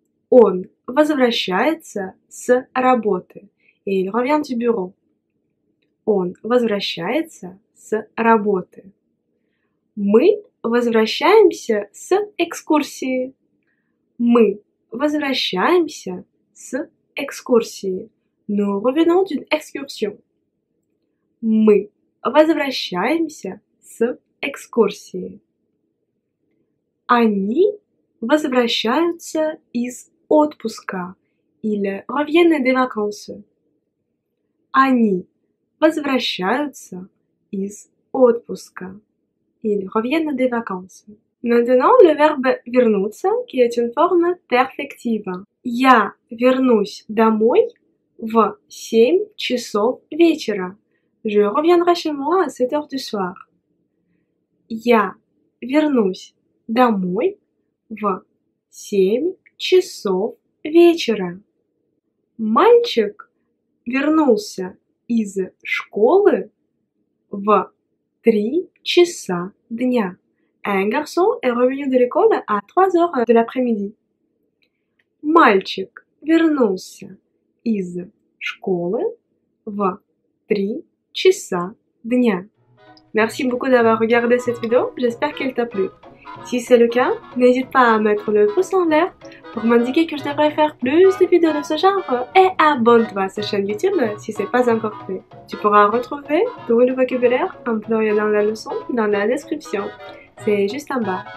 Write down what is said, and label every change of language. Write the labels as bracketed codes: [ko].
[ru] Он возвращается с работы. [fr] Il revient du bureau. [ru] Он возвращается с работы. Мы возвращаемся с экскурсии. Мы возвращаемся с экскурсии. [fr] Nous revenons d'une excursion. [ru] Мы возвращаемся с экскурсии. Они возвращаются из отпуска. [fr] Ils reviennent des vacances. [ru] Они возвращаются из отпуска. [fr] Ils reviennent des vacances. Maintenant, le verbe «вернуться», qui est une forme perfective. [ru] Я вернусь домой в 7 часов вечера. [fr] Je reviendrai chez moi à 7 heures du soir. [ru] Я вернусь домой в 7 часов вечера. Мальчик вернулся из школы в 3 часа дня. [fr] Un garçon est revenu de l'école à 3 heures de l'après-midi. [ru] Мальчик вернулся из школы в 3 часа дня. [fr] Merci beaucoup d'avoir regardé cette vidéo, j'espère qu'elle t'a plu. Si c'est le cas, n'hésite pas à mettre le pouce en l'air pour m'indiquer que je devrais faire plus de vidéos de ce genre et abonne-toi à cette chaîne YouTube si c'est pas encore fait. Tu pourras retrouver tout le vocabulaire employé dans la leçon dans la description. C'est juste en bas.